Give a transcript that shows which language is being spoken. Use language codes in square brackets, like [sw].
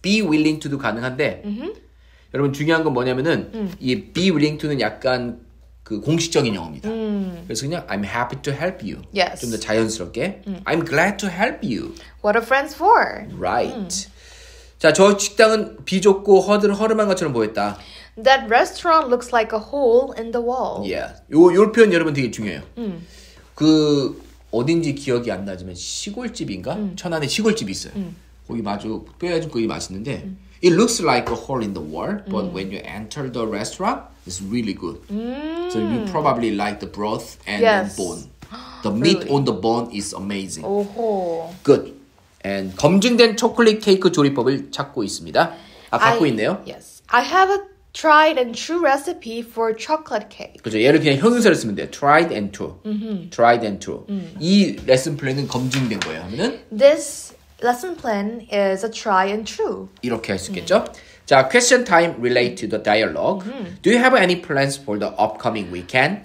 [en] Be willing to [ko] 도 가능한데 여러분 중요한 건 뭐냐면은 이 [en] be willing to [ko] 는 약간 그 공식적인 영어입니다. 그래서 그냥 [en] I'm happy to help you. Yes. [ko] 좀 더 자연스럽게 [en] I'm glad to help you. What are friends for? Right. [ko] 자, 저 식당은 비좁고 허름한 것처럼 보였다. [en] That restaurant looks like a hole in the wall. Yeah. [ko] 요 표현 여러분 되게 중요해요. 그 어딘지 기억이 안 나지만 시골집인가? 천안에 시골집이 있어요. 거기 마주 뼈야진 거기 맛있는데 [en] It looks like a hole in the wall, but when you enter the restaurant, it's really good. So you probably like the broth and yes. the bone. The meat really? On the bone is amazing. Oh-ho. Good. And [ko] 검증된 초콜릿 케이크 조리법을 찾고 있습니다. 아, 갖고 있네요. [en] Yes. I have a tried and true recipe for chocolate cake. [ko] 그죠. 얘를 그냥 형용사를 쓰면 돼요. [en] Tried and true. Tried and true. [ko] 이 레슨 플랜은 검증된 거예요. 하면은? [en] This lesson plan is a try and true. [ko] 이렇게 할 수 있겠죠? 자, [en] question time relate to the dialogue. Do you have any plans for the upcoming weekend?